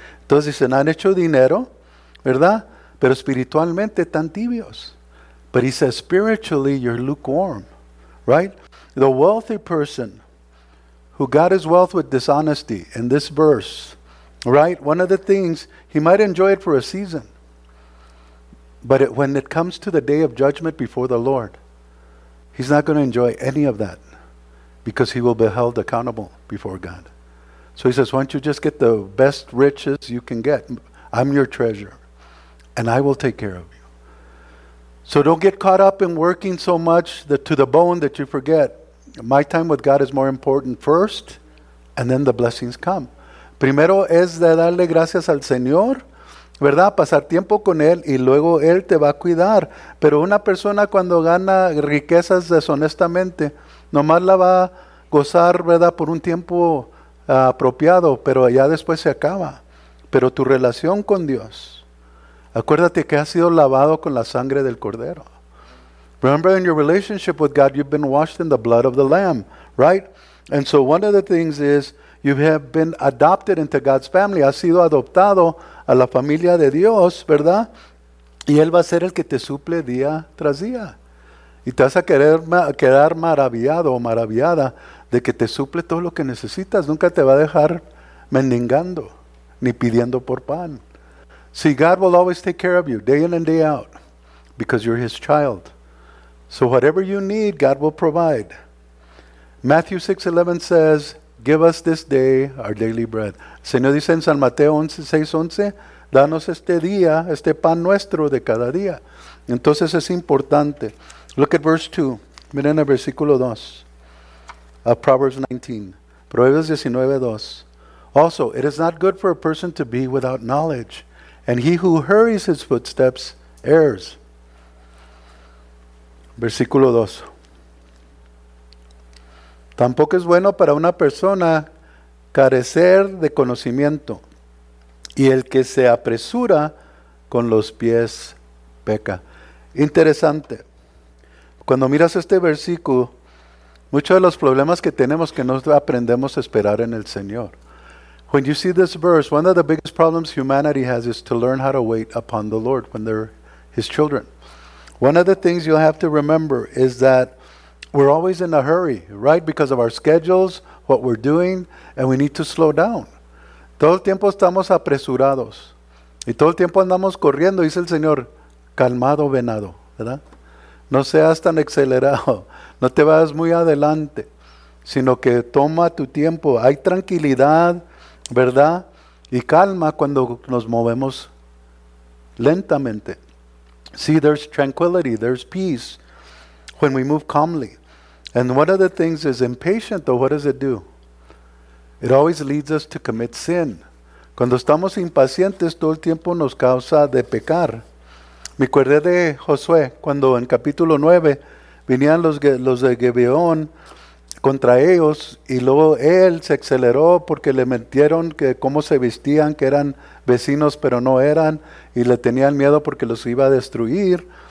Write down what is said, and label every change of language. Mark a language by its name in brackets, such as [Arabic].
[Spanish] Entonces dicen, han hecho dinero, ¿verdad? Pero espiritualmente tan tibios. [English] But he says, spiritually, you're lukewarm, right? The wealthy person who got his wealth with dishonesty, in this verse, right? One of the things, he might enjoy it for a season. But it, when it comes to the day of judgment before the Lord, he's not going to enjoy any of that because he will be held accountable before God. So he says, why don't you just get the best riches you can get? I'm your treasure, and I will take care of you. So don't get caught up in working so much that to the bone that you forget. My time with God is more important first, and then the blessings come. [Spanish] Primero es de darle gracias al Señor, ¿verdad? Pasar tiempo con Él, y luego Él te va a cuidar. Pero una persona cuando gana riquezas deshonestamente, nomás la va a gozar, ¿verdad? Por un tiempo apropiado, pero ya después se acaba. Pero tu relación con Dios, acuérdate que has sido lavado con la sangre del Cordero. [English] Remember, in your relationship with God, you've been washed in the blood of the Lamb, right? And so one of the things is, you have been adopted into God's family. [Spanish] Has sido adoptado a la familia de Dios, ¿verdad? Y Él va a ser el que te suple día tras día. Y te vas a querer quedar maravillado o maravillada de que te suple todo lo que necesitas. Nunca te va a dejar mendigando ni pidiendo por pan. [English] See, God will always take care of you day in and day out because you're His child. So whatever you need, God will provide. Matthew 6:11 says, give us this day our daily bread. [Spanish] Señor dice en San Mateo 6:11, danos este día, este pan nuestro de cada día. Entonces es importante. [English] Look at verse 2. [Spanish] Miren el versículo 2 [English] of Proverbs 19. [Spanish] Proverbios 19:2. [English] Also, it is not good for a person to be without knowledge, and he who hurries his footsteps errs. [Spanish] Versículo 2. Tampoco es bueno para una persona carecer de conocimiento, y el que se apresura con los pies peca. Interesante. Cuando miras este versículo, muchos de los problemas que tenemos que no aprendemos a esperar en el Señor. [English] When you see this verse, one of the biggest problems humanity has is to learn how to wait upon the Lord when they're His children. One of the things you'll have to remember is that we're always in a hurry, right? Because of our schedules, what we're doing, and we need to slow down. [Spanish] Todo el tiempo estamos apresurados. Y todo el tiempo andamos corriendo, dice el Señor, calmado venado, ¿verdad? No seas tan acelerado. No te vayas muy adelante, sino que toma tu tiempo. Hay tranquilidad, ¿verdad? Y calma cuando nos movemos lentamente. [English] See, there's tranquility, there's peace when we move calmly. And one of the things is impatient, though, what does it do? It always leads us to commit sin. [Spanish] Cuando estamos impacientes, todo el tiempo nos causa de pecar. Me acuerdo de Josué, cuando en capítulo 9 venían los de Gibeón contra ellos, y luego él se aceleró porque le mintieron que cómo se vestían, que eran vecinos, pero no eran, y le tenían miedo porque los iba a destruir.